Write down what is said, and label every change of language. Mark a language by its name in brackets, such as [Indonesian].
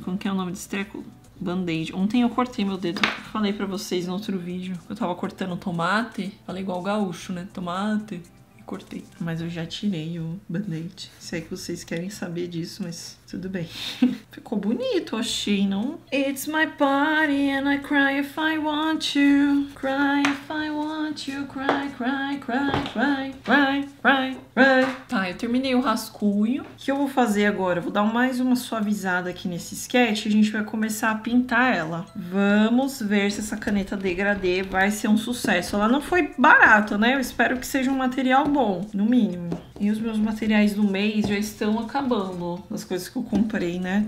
[Portuguese] Como que é o nome desse treco? Band-aid. Ontem eu cortei meu dedo. Falei pra vocês no outro vídeo. Eu tava cortando tomate. Falei igual o gaúcho, né? Tomate. E cortei. Mas eu já tirei o band-aid. Sei que vocês querem saber disso, mas tudo bem. Ficou bonito, achei, não? [English] It's my body and I cry if I want to. Cry if I want to. Cry, cry, cry, cry, cry, cry, cry. [Portuguese] Tá, eu terminei o rascunho. O que eu vou fazer agora? Vou dar mais uma suavizada aqui nesse sketch e a gente vai começar a pintar ela. Vamos ver se essa caneta degradê vai ser um sucesso. Ela não foi barata, né? Eu espero que seja um material bom, no mínimo. E os meus materiais do mês já estão acabando. As coisas que eu comprei, né?